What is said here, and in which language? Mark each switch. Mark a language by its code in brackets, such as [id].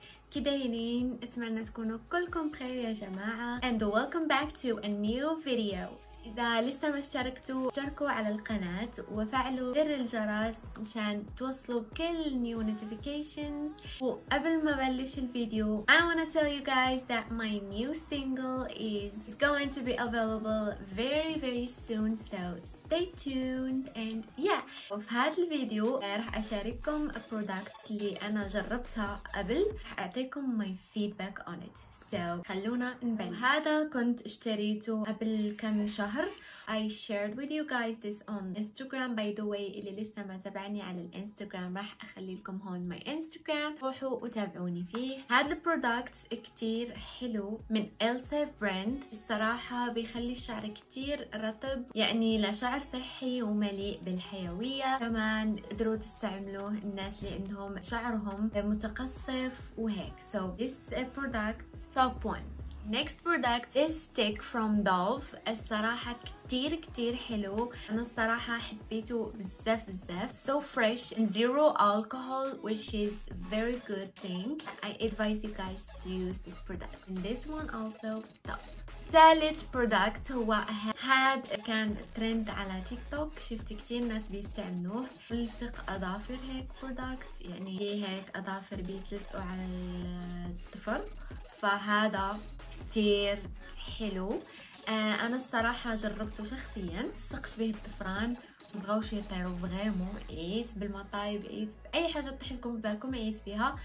[ar] كدايرين اتمنى تكونوا كلكم بخير يا جماعة. [en] And welcome back to a new video. [ar] إذا لسه ما اشتركتوا اشتركوا على القناة وفعلوا زر الجرس مشان توصلوا بكل [en] new notifications. [ar] وقبل ما بلش الفيديو [en] I wanna tell you guys that my new single is going to be available very very soon, so stay tuned. And yeah, [ar] وفي هذا الفيديو رح أشارككم a product اللي أنا جربتها قبل, رح أعطيكم [en] my feedback on it, so [ar] خلونا نبلش. هذا كنت اشتريته قبل كم شهر. [en] I shared with you guys this on Instagram. By the way, [ar] اللي لسه ما تابعني على الانستغرام راح اخلي لكم هون [en] my Instagram, [ar] روحوا وتابعوني فيه. هاد البرودكت كتير حلو من إلسيف براند, الصراحة بيخلي الشعر كتير رطب, يعني لشعر صحي ومليء بالحيوية. كمان قدروا تستعملوه الناس اللي عندهم شعرهم متقصف وهيك. [en] So this product top one. Next product is stick from Dove. [ar] الصراحة كتير كتير حلو, أنا الصراحة حبيته بزاف بزاف. [en] So fresh and zero alcohol, which is very good thing. I advise you guys to use this product. And this one also top. [ar] ثالث product هو هاد, كان ترند على تيك توك, شفت كتير ناس بيستعملوه, بلصق أظافر هيك product, يعني هيك أظافر بيتلصقوا على الظفر. فهذا كتير حلو, انا الصراحه جربته شخصيا, سقت به الطفران وبغاوشي يطيروا بغيمو, عيت بالمطايب, عيت باي حاجه تطيح لكم ببالكم عيت بها.